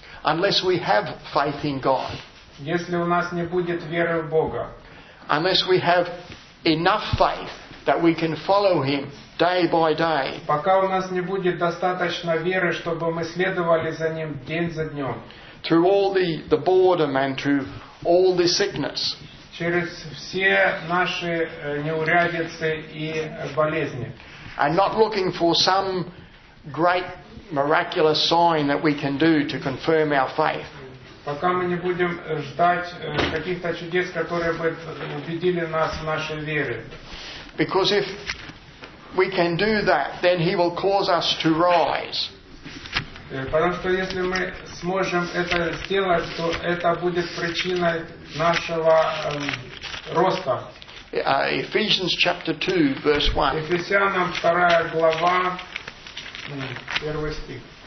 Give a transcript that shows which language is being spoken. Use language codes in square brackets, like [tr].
[en] Unless we have faith in God. [ru] Если у нас не будет веры в Бога. [en] Unless we have enough faith that we can follow Him day by day. [ru] Пока у нас не будет достаточно веры, чтобы мы следовали за Ним день за днем. [en] Through all the boredom and through all the sickness. [ru] Через все наши неурядицы и болезни. [en] And not looking for some great miraculous sign that we can do to confirm our faith. [ru] Пока мы не будем ждать каких-то чудес, которые бы убедили нас в нашей вере. [en] Because if we can do that, then He will cause us to rise. [ru] Потому что если мы сможем это сделать, то это будет причиной нашего роста. [en] Ephesians chapter 2, verse 1. [ru] Ефесянам 2 глава, 1 стих.